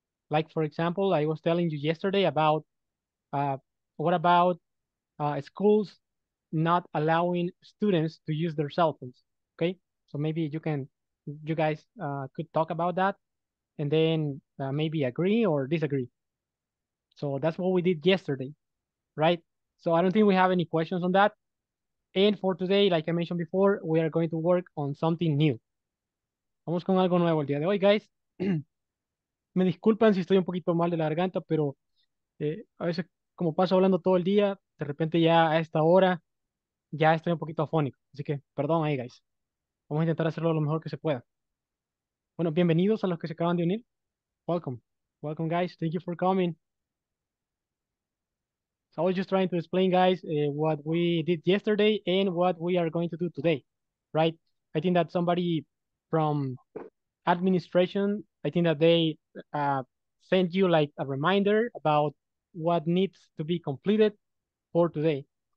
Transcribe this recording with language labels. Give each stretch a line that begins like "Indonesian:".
English: Like, for example, I was telling you yesterday about what about schools not allowing students to use their cell phones. Okay, so maybe you guys could talk about that, and then maybe agree or disagree. So that's what we did yesterday. Right. So I don't think we have any questions on that. And for today, like I mentioned before, we are going to work on something new.
Spanish: Vamos con algo nuevo el día de hoy, guys. Me disculpan si estoy un poquito mal de la garganta, pero a veces, como paso hablando todo el día, de repente ya a esta hora, ya estoy un poquito afónico. Así que, perdón ahí, guys. Vamos a intentar hacerlo lo mejor que se pueda. Bueno, bienvenidos a los que se acaban de unir.
English: Welcome. Welcome, guys. Thank you for coming. So I was just trying to explain, guys, what we did yesterday and what we are going to do today, right? I think that somebody from administration, I think that they sent you like a reminder about what needs to be completed for today.